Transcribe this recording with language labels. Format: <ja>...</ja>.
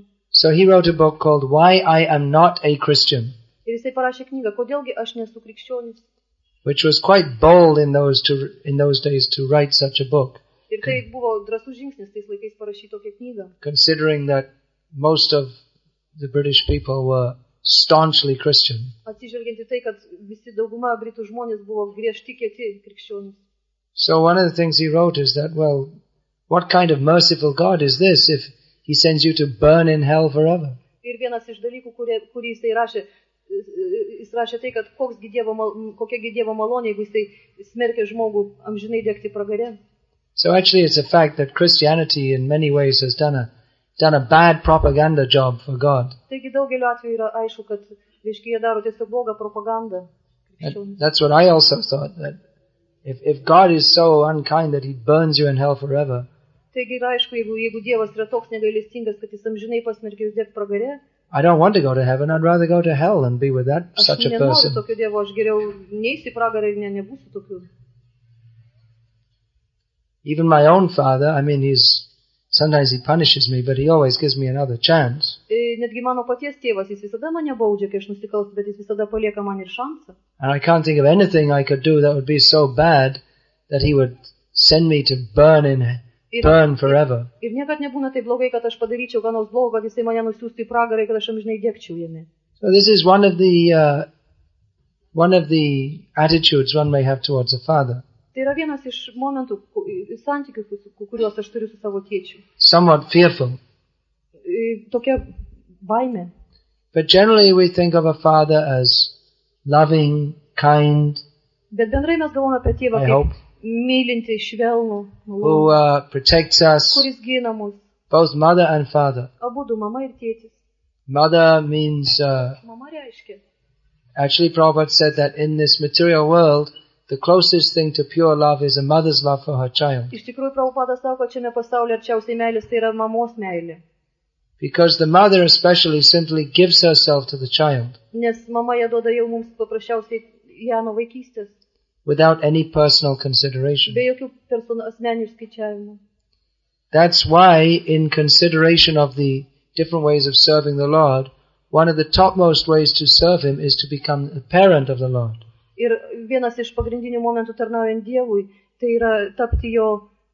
<en>So he wrote a book called Why I Am Not a Christian.</en> <lt>Ir jisai parašė knygą, kodėl gi aš nesu krikščionis.</lt> <en>Which was quite bold in those days to write such a book.</en> <lt>Ir tai buvo drąsus žingsnis tais laikais parašyti tokią knygą.</lt> <en>Considering that most of the British people were staunchly Christian.</en> <lt>Atsižvelgiant į tai, kad visi dauguma britų žmonės buvo griežti kieti krikščionys.</lt> <en>So one of the things he wrote is that, well, what kind of merciful God is this if he sends you to burn in hell forever?</en> <lt>Ir vienas iš dalykų, kurį jisai rašė, jis rašė tai, kad kokia gi Dievo malonė, jeigu jisai smerkia žmogų amžinai degti pragare.</lt> <en>So actually it's a fact that Christianity in many ways has done a bad propaganda job for God.</en> <lt>Taigi daugeliu atveju yra aišku, kad jie daro tiesiog blogą propagandą.</lt> <en>That's what I also thought, that if God is so unkind that he burns you in hell forever.</en> <lt>Taigi yra aišku, jeigu Dievas yra toks negailestingas, kad jis amžinai pasmerkia jus degti pragare.</lt> <en>I don't want to go to heaven, I'd rather go to hell and be with that such a person.</en> <lt>Aš nenoriu tokio Dievo, aš geriau neisi pragarą ir nebūsiu tokiu.</lt> <en>Even my own father, I mean, sometimes he punishes me, but he always gives me another chance.</en> <lt>Netgi mano paties tėvas, jis visada mane baudžia, kai aš nusikalstu, bet jis visada palieka man ir šansą.</lt> <en>And I can't think of anything I could do that would be so bad that he would send me to burn forever.</en> <lt>Ir niekad nebūna taip blogai, kad aš padaryčiau ką nors blogo, kad jisai mane nusiųstų į pragarą, kad aš amžinai degčiau jame.</lt> <en>So this is one of the attitudes one may have towards a father.</en> <lt>Tai yra vienas iš momentų santykių, kuriuos aš turiu su savo tėčiu.</lt> <en>Somewhat fearful.</en> <lt>Tokia baimė.</lt> <en>But generally we think of a father as loving, kind.</en> <lt>Bet bendrai mes galvojame apie tėvą kaip mylinti, švelnų,</lt> <en>who protects us,</en> <lt>kuris gina mus,</lt> <en>both mother and father.</en> <lt>Abudu, mama ir tėtis.</lt> <en>Mother means,</en> <lt>mama reiškia.</lt> <en>Actually, Prabhupada said that in this material world, the closest thing to pure love is a mother's love for her child.</en> <lt>Iš tikrųjų, Prabhupada sako, kad šiame pasaulyje arčiausiai meilės tai yra mamos meilė.</lt> <en>Because the mother especially simply gives herself to the child.</en> <lt>Nes mama ją duoda jau mums paprasčiausiai ją nuo vaikystės.</lt> <en>Without any personal consideration.</en> <lt>Be jokių asmeninių skaičiavimų.</lt> <en>That's why, in consideration of the different ways of serving the Lord, one of the topmost ways to serve Him is to become a parent of the Lord.</en> <lt>Ir vienas iš pagrindinių momentų tarnaujant Dievui, tai yra tapti jo</lt>